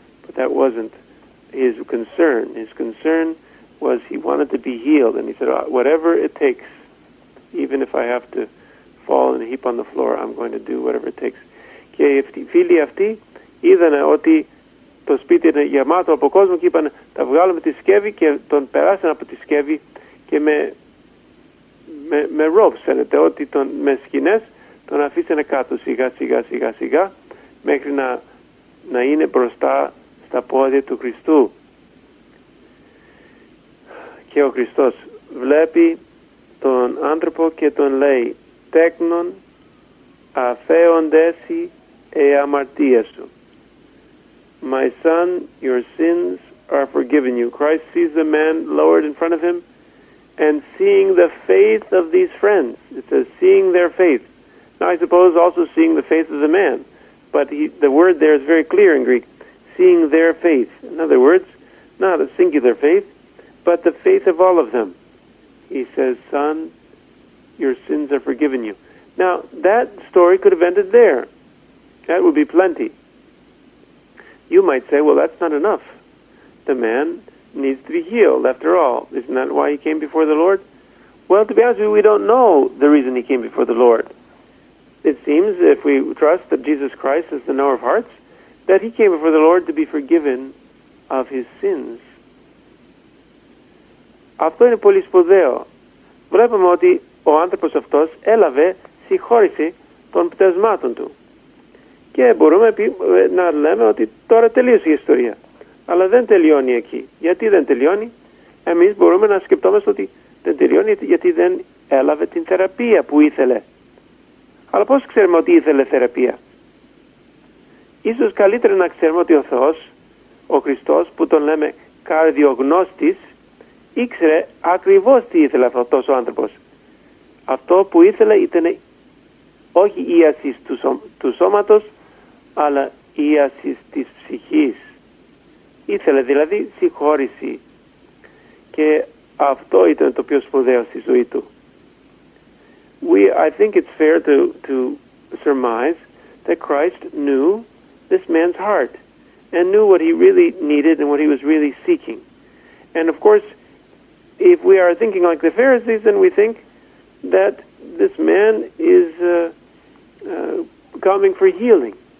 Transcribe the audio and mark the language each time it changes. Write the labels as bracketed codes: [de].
[en] But that wasn't his concern. His concern was he wanted to be healed. And he said, whatever it takes, even if I have to fall in a heap on the floor, I'm going to do whatever it takes. [el] Και οι φίλοι αυτοί είδανε ότι το σπίτι είναι γεμάτο από κόσμο και είπαν, θα βγάλουμε τη σκεύη, και τον περάσαν από τη σκεύη και με ropes, φαίνεται, ότι τον, με σκηνές τον αφήσανε κάτω σιγά σιγά μέχρι να είναι μπροστά στα πόδια του Χριστού. Και ο Χριστός βλέπει τον άνθρωπο και τον λέει, τέκνον αφέοντεσι εαμαρτία σου. [en] My son, your sins are forgiven you. Christ sees the man lowered in front of him, and seeing the faith of these friends, it says seeing their faith. Now I suppose also seeing the faith of the man, but the word there is very clear in Greek, seeing their faith. In other words, not a singular faith, but the faith of all of them. He says, son, your sins are forgiven you. Now, that story could have ended there. That would be plenty. You might say, well, that's not enough. The man needs to be healed, after all. Isn't that why he came before the Lord? Well, to be honest with you, we don't know the reason he came before the Lord. It seems, if we trust that Jesus Christ is the knower of hearts, that he came before the Lord to be forgiven of his sins. [el] Αυτό είναι πολύ σπουδαίο. Βλέπουμε ότι ο άνθρωπος αυτός έλαβε συγχώρηση των πτεσμάτων του. Και μπορούμε να λέμε ότι τώρα τελείωσε η ιστορία. Αλλά δεν τελειώνει εκεί. Γιατί δεν τελειώνει? Εμείς μπορούμε να σκεπτόμαστε ότι δεν τελειώνει γιατί δεν έλαβε την θεραπεία που ήθελε. Αλλά πώς ξέρουμε ότι ήθελε θεραπεία? Ίσως καλύτερα να ξέρουμε ότι ο Θεός, ο Χριστός που τον λέμε καρδιογνώστης, ήξερε ακριβώς τι ήθελε αυτός ο άνθρωπος. Αυτό που ήθελε ήταν όχι ίαση του σώματος, αλλά ίαση της ψυχής. Ήθελε δηλαδή συγχώρηση. Και αυτό ήταν το πιο σπουδαίο στη ζωή του. [en] I think it's fair to surmise that Christ knew this man's heart and knew what he really needed and what he was really seeking. And of course, if we are thinking like the Pharisees, then we think that this man is coming for healing.